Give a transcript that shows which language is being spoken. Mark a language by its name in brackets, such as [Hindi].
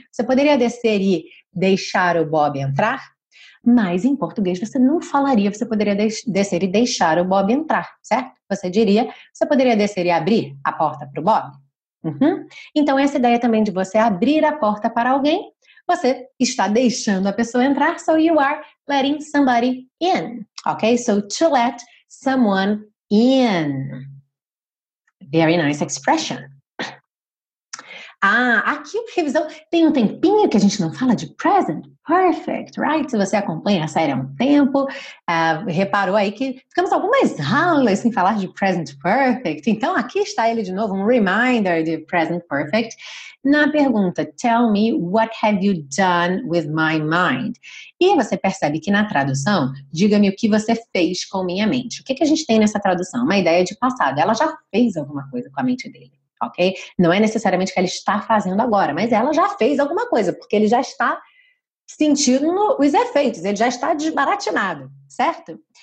[Portuguese] Você poderia descer e deixar o Bob entrar? Mas em português você não falaria: você poderia descer e deixar o Bob entrar, certo? Você diria: você poderia descer e abrir a porta para o Bob? Uhum. Então essa ideia também de você abrir a porta para alguém, você está deixando a pessoa entrar. [English] So you are letting somebody in. Ok? So to let someone in. Very nice expression. [Portuguese] Ah, aqui o revisão, tem um tempinho que a gente não fala de present perfect, right? Se você acompanha a série há um tempo, reparou aí que ficamos algumas aulas sem falar de present perfect. Então, aqui está ele de novo, um reminder de present perfect. Na pergunta, [English] tell me what have you done with my mind? [Portuguese] E você percebe que na tradução, diga-me o que você fez com minha mente. O que, que a gente tem nessa tradução? Uma ideia de passado. Ela já fez alguma coisa com a mente dele. Ok? Não é necessariamente que ela está fazendo agora, mas ela já fez alguma coisa, porque ele já está sentindo os efeitos, ele já está desbaratinado, certo?